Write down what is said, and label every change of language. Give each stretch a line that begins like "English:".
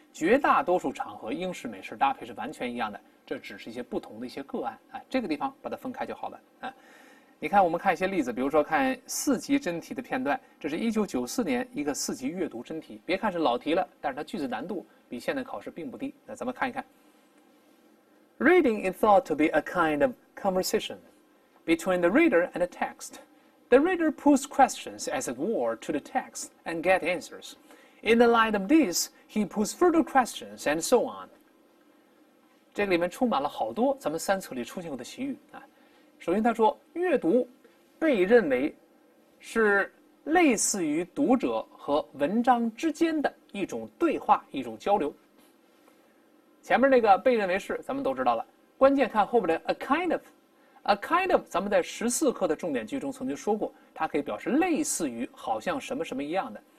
Chinese: 绝大多数场合，英式、美式搭配是完全一样的，这只是一些不同的一些个案啊。这个地方把它分开就好了啊。你看，我们看一些例子，比如说看4级真题的片段，这是1994年一个4级阅读真题。别看是老题了，但是它句子难度比现在考试并不低。那咱们看一看。
English: Reading is thought to be a kind of conversation between the reader and the text. The reader puts questions, as it were, to the text and gets answers. In the light of this, he puts further questions and so on.
Chinese: 这个里面充满了好多咱们三册里出现过的习语啊。首先他说，阅读被认为是类似于读者和文章之间的一种对话，一种交流。前面那个被认为是咱们都知道了，关键看后边的
English: a kind of，
Chinese: 咱们在十四课的重点句中曾经说过，它可以表示类似于，好像什么什么一样的。